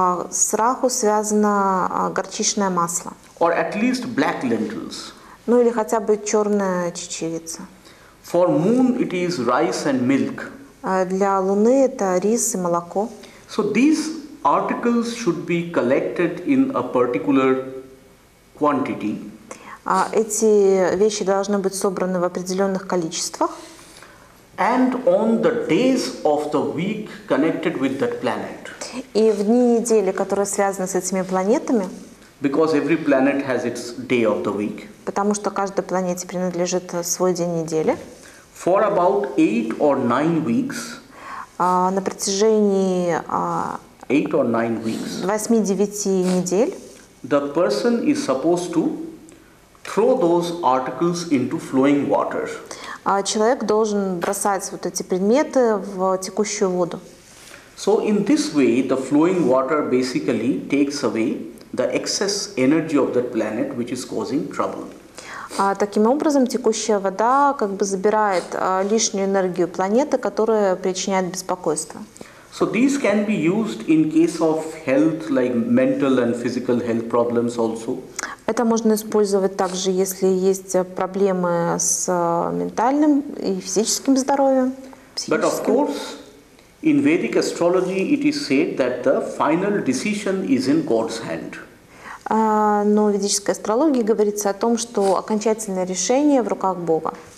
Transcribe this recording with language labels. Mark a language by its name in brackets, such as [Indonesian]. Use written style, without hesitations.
[Russian] С Раху связано горчичное масло. [English] Or at least black lentils. [Russian] Ну или хотя бы черная чечевица. [English] For Moon it is rice and milk. [Russian] Для Луны это рис и молоко. [English] So these articles should be collected in a particular quantity. [Russian] Эти вещи должны быть собраны в определенных количествах. [English] And on the days of the week connected with that planet. [Russian] И в дни недели, которые связаны с этими планетами. [English] Because every planet has its day of the week. [Russian] Потому что каждой планете принадлежит свой день недели. [English] For about 8 or 9 weeks. [Russian] На протяжении [English] 8 or 9 weeks. [Russian] 8-9 недель. [English] The person is supposed to throw those articles into flowing water. [Russian] Человек должен бросать вот эти предметы в текущую воду. [English] So in this way, the flowing water basically takes away the excess energy of that planet, which is causing trouble. [Russian] Таким образом, текущая вода как бы забирает лишнюю энергию планеты, которая причиняет беспокойство. [English] So these can be used in case of health, like mental and physical health problems also. [Russian] Это можно использовать также, если есть проблемы с ментальным и физическим здоровьем. [English] But of course, in Vedic astrology, it is said that the final decision is in God's hand. [Russian] Но в ведической астрологии говорится о том, что окончательное решение в руках Бога.